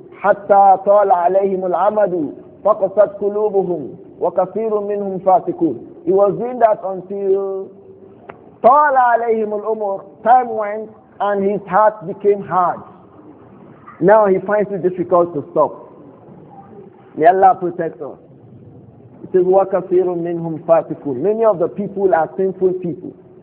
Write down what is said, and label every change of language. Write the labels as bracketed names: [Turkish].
[Arabic] حتى طال عليهم العمد فقست قلوبهم وكثير منهم فاسقون. [English] He was doing that until [Arabic] طال عليهم العمر, [English] time went and his heart became hard. Now he finds it difficult to stop. May Allah protect us. It says, [Arabic] وكثير منهم فاسقون. [English] Many of the people are sinful people.